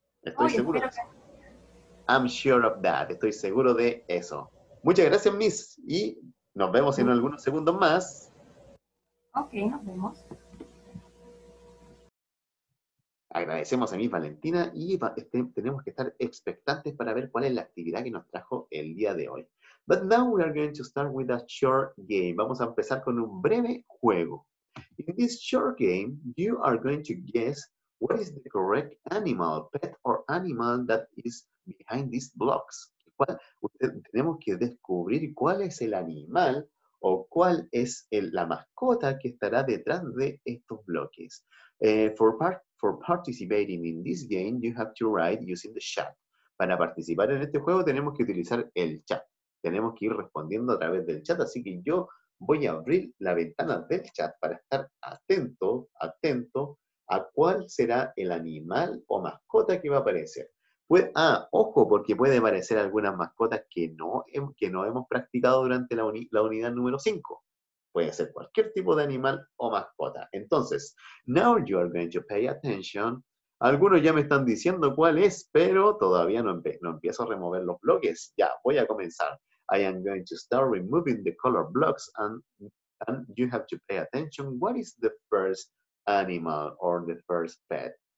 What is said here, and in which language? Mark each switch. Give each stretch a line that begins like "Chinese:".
Spanish: Estoy seguro.
English: I'm sure of that.
Spanish: Estoy seguro de eso. Muchas gracias, Miss. Y nos vemos en algunos segundos más. Ok, nos vemos. Agradecemos a Miss Valentina y tenemos que estar expectantes para ver cuál es la actividad que nos trajo el día de hoy.
English: But now we are going to start with a short game.
Spanish: Vamos a empezar con un breve juego.
English: In this short game, you are going to guess what is the correct animal, pet or animal that is behind these blocks.
Spanish: Tenemos que descubrir cuál es el animal o cuál es la mascota que estará detrás de estos bloques.
English: For participating in this game, you have to write using the chat.
Spanish: Para participar en este juego tenemos que utilizar el chat. Tenemos que ir respondiendo a través del chat, así que yo voy a abrir la ventana del chat para estar atento a cuál será el animal o mascota que va a aparecer. Ojo, porque puede aparecer algunas mascotas que no hemos practicado durante la unidad número 5. Puede ser cualquier tipo de animal o mascota.
English: Entonces, now you are going to pay attention.
Spanish: Algunos ya me están diciendo cuál es, pero todavía no empiezo a remover los bloques. Ya, voy a comenzar.
English: I am going to start removing the color blocks and you have to pay attention. What is the first animal or the first pet?